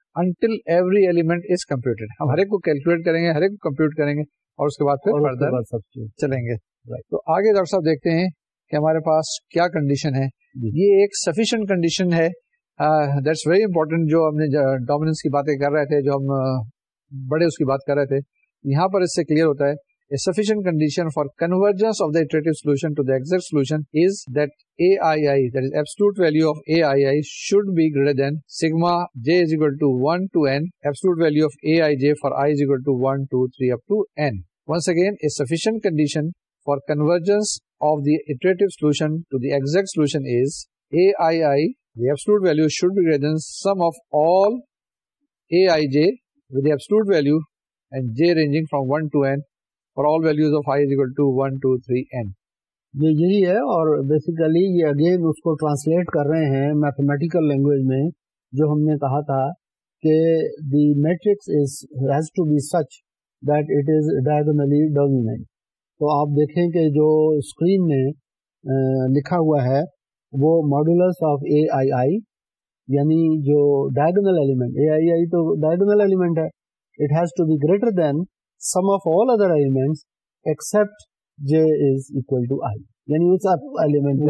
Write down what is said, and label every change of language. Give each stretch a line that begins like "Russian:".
English: Until every element is computed.
Urdu: ہم ہر ایک کو کیلکولیٹ کریں گے, ہر ایک کو کمپیوٹ کریں گے, اور اس کے بعد پھر فردر چلیں گے. تو آگے ڈاکٹر صاحب دیکھتے ہیں کہ ہمارے پاس کیا کنڈیشن ہے. یہ ایک سفیشینٹ کنڈیشن ہے,
English: That's very important.
Urdu: جو ہم نے ڈومیننس کی باتیں کر رہے تھے, جو ہم بڑے اس کی بات کر رہے تھے, یہاں پر اس سے کلیئر ہوتا ہے.
English: A sufficient condition for convergence of the iterative solution to the exact solution is that AII, that is absolute value of AII, should be greater than sigma j is equal to 1 to n, absolute value of Aij for I is equal to 1, 2, 3 up to n. Once again, a sufficient condition for convergence of the iterative solution to the exact solution is Aii, the absolute value should be greater than sum of all Aij with the absolute value and j ranging from 1 to n. For all values of i is equal to 1, 2, 3, n.
Urdu: یہ یہی ہے, اور basically یہ again اس کو translate کر رہے ہیں mathematical language میں, جو ہم نے کہا تھا کہ
English: The matrix is has to be such that it is diagonally dominant.
Urdu: تو آپ دیکھیں کہ جو اسکرین میں لکھا ہوا ہے وہ
English: modulus of A I I, یعنی جو diagonal element, A I I تو diagonal element ہے, it has to be greater than sum of all other elements except j is equal to i, yani us up element